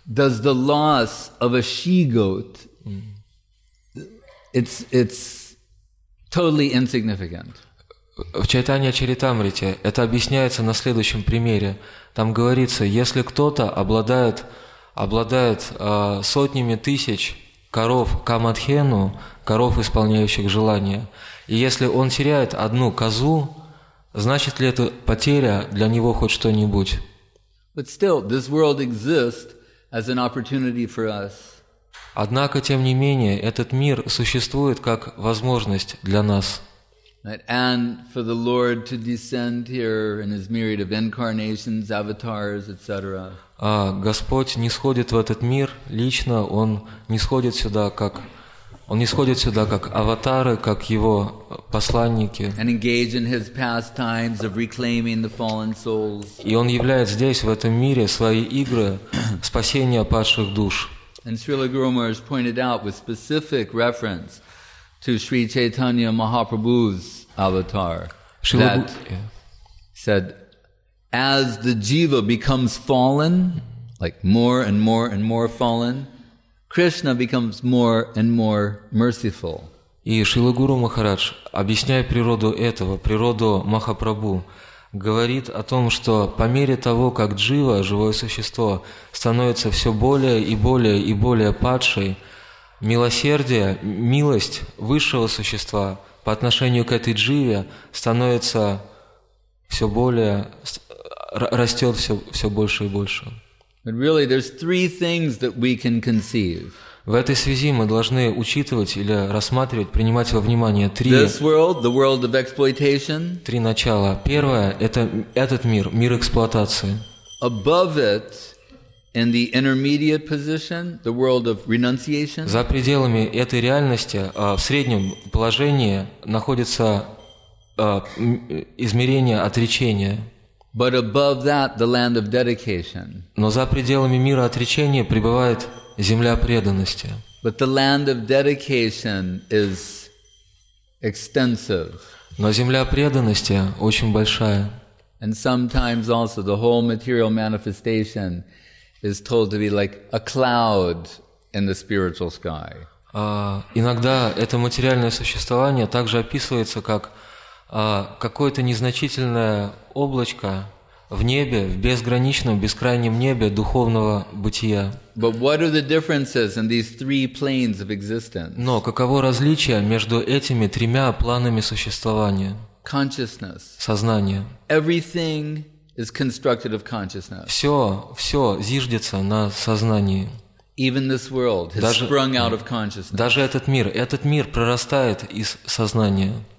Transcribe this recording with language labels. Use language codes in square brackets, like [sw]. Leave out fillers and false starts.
[en] Does the loss of a she-goat, it's totally insignificant. [ru] В Чайтанья Чаритамрите это объясняется на следующем примере. Там говорится, если кто-то обладает сотнями тысяч коров камадхену, коров, исполняющих желания, и если он теряет одну козу, значит ли это потеря для него хоть что-нибудь? [en] But still, this world exists as an opportunity for us. [ru] Однако, тем не менее, этот мир существует как возможность для нас. [en] And for the Lord to descend here in his myriad of incarnations, avatars, etc. [ru] Господь нисходит в этот мир лично, он нисходит сюда как аватары, как его посланники. [en] And engage in his pastimes of reclaiming the fallen souls. [ru] И он являет здесь, в этом мире, свои игры спасения падших душ. [en] And Srila Guru Maharaj pointed out with specific reference to Sri Chaitanya Mahaprabhu's avatar, that said, as the jiva becomes fallen, like more and more and more fallen, Krishna becomes more and more merciful. [ru] И Шрила Гуру Махарадж, объясняя природу этого, природу Махапрабху, говорит о том, что по мере того, как джива, живое существо, становится все более и более и более падшей, милосердие, милость высшего существа по отношению к этой дживе становится все более, растет все больше и больше. [en] But really, there's three things that we can conceive. [ru] В этой связи мы должны учитывать или рассматривать, принимать во внимание три начала. Первое – это этот мир, мир эксплуатации. [en] Above it, in the intermediate position, the world of renunciation. [ru] За пределами этой реальности, в среднем положении находится измерение отречения. [en] But above that, the land of dedication. [ru] Но за пределами мира отречения пребывает земля преданности. [en] But the land of dedication is extensive. [ru] Но земля преданности очень большая. [en] And sometimes also the whole material manifestation is told to be like a cloud in the spiritual sky. [ru] Иногда это материальное существование также описывается как какое-то незначительное облачко в небе, в безграничном, бескрайнем небе духовного бытия. [en] But what are the differences in these three planes of existence? [ru] Но каково различие между этими тремя планами существования? [en] Consciousness. [ru] Сознание. [en] Everything is constructed of consciousness. [ru] Все зиждется на сознании. [en] Even this world has sprung out of consciousness. [ru] Даже этот мир прорастает из сознания.